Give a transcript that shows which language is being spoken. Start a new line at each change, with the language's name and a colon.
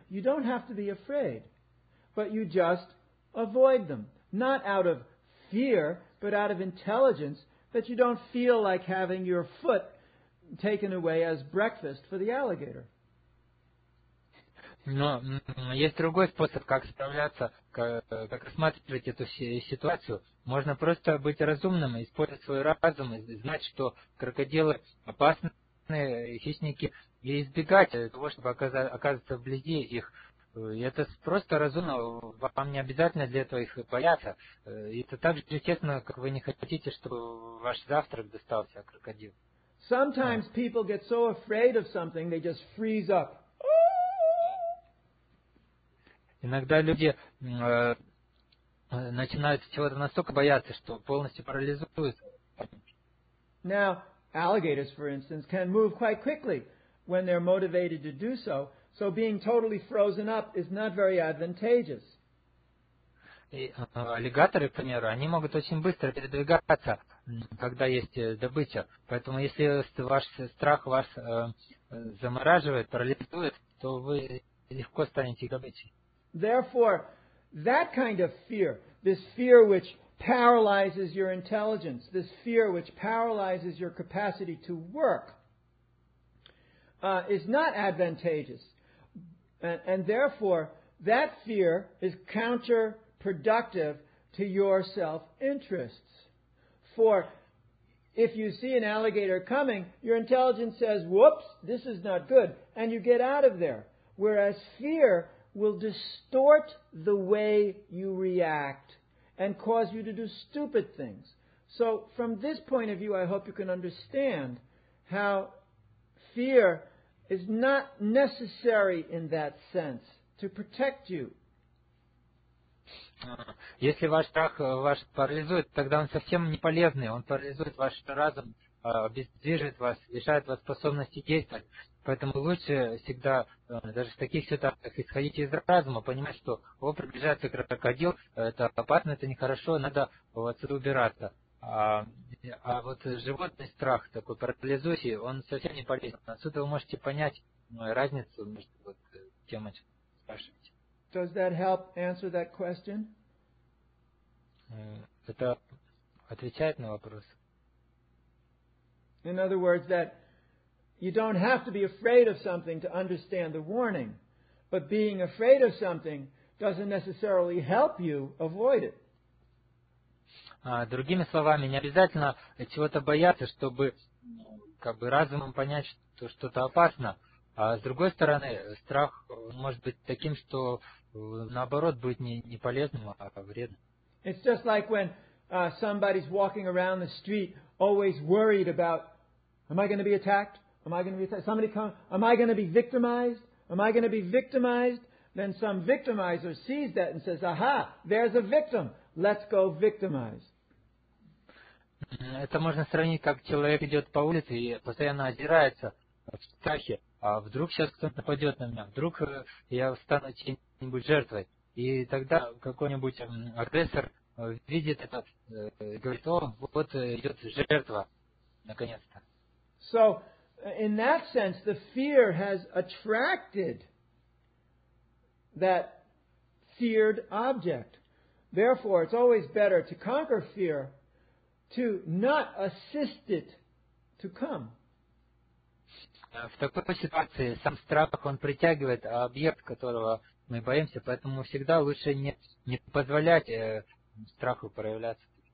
English: You don't have to be afraid, but you just avoid them, not out of fear, but out of intelligence, that you don't feel like having your foot taken away as breakfast for the alligator.
Russian: Но есть другой способ, как справляться, как рассматривать эту ситуацию. Можно просто быть разумным, использовать свой разум, знать, что крокодилы опасные хищники, и избегать того, чтобы оказаться вблизи их. Это просто разумно, вам не обязательно для этого их бояться. Это так же естественно, как вы не хотите, чтобы ваш завтрак достался крокодилу.
English: Sometimes people get so afraid of something, they just freeze up.
Russian: Иногда люди начинают чего-то настолько бояться, что полностью парализуются.
English: Now, Alligators, for instance, can move quite quickly when they're motivated to do so. So being totally frozen up is not very advantageous.
Russian: И аллигаторы, к примеру, они могут очень быстро передвигаться, когда есть добыча. Поэтому если ваш страх вас замораживает, парализует, то вы легко станете добычей.
English: Therefore, that kind of fear, this fear which paralyzes your intelligence, this fear which paralyzes your capacity to work, is not advantageous. And therefore, that fear is counterproductive to your self-interests. For if you see an alligator coming, your intelligence says, whoops, this is not good, and you get out of there. Whereas fear will distort the way you react and cause you to do stupid things. So from this point of view, I hope you can understand how fear is not necessary in that sense to protect you.
Russian: Если ваш страх вас парализует, тогда он совсем не полезный. Он парализует ваш разум, обездвиживает вас, лишает вас способности действовать. Поэтому лучше всегда, даже в таких ситуациях, исходить из разума, понимать, что о, приближается крокодил, это опасно, это нехорошо, надо отсюда убираться. А вот животный страх, такой парализующий, он совсем не полезен. Отсюда вы можете понять разницу между вот, тем, о чем спрашиваете.
English: Does that help answer that question?
Russian: Это отвечает на вопрос.
English: In other words, that you don't have to be afraid of something to understand the warning, but being afraid of something doesn't necessarily help you avoid it.
Russian: Другими словами, не обязательно чего-то бояться, чтобы как бы разумом понять, что что-то опасно. А с другой стороны, страх может быть таким, что наоборот будет не полезным, а вредным.
English: It's just like when somebody's walking around the street always worried about, am I going to be attacked? Am I going to be attacked? Somebody come, am I going to be victimized? Am I going to be victimized? Then some victimizer sees that and says, aha, there's a victim. Let's go victimize.
Russian: Это можно сравнить, как человек идет по улице и постоянно озирается в страхе. А вдруг сейчас кто-то нападет на меня? Вдруг я стану чьей-нибудь жертвой? И тогда какой-нибудь агрессор видит это и говорит, о, вот идет жертва, наконец-то.
English: So, in that sense, the fear has attracted that feared object. Therefore, it's always better to conquer fear, to not assist it to come.
Russian: В такой ситуации сам страх, он притягивает объект, которого мы боимся, поэтому всегда лучше не позволять страху проявляться.